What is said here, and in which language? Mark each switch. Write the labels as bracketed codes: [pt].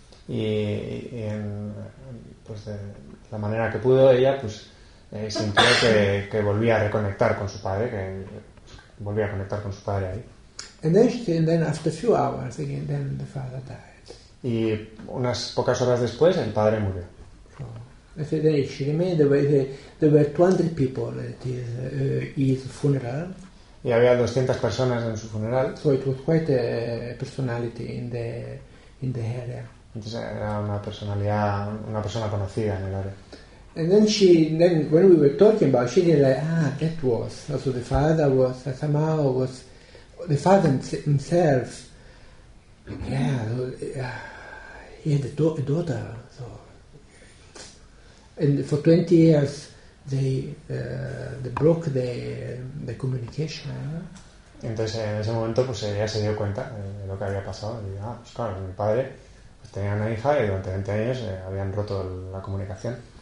[es] Y en, pues de la manera que pudo, ella pues sintió que volvía a reconectar con su padre, que volvía a conectar con su padre ahí. [en] And then, she, and then after a few hours again, then the father died. [es] Y unas pocas horas después, el padre murió. [en] So, I said, then she remained, there were 200 people at his funeral. [es] Y había 200 personas en su funeral. [en] So it was quite a personality in the area. [es] Entonces era una personalidad, una persona conocida en el área. [en] And then she, then when we were talking about, she did like, ah, that was, also the father was, somehow was, the father himself, yeah, he had a daughter, so, and for 20 years they broke the communication. [es] Entonces en ese momento pues ella se dio cuenta de lo que había pasado, y ah, pues claro, mi padre pues, tenía una hija y durante 20 años habían roto la comunicación.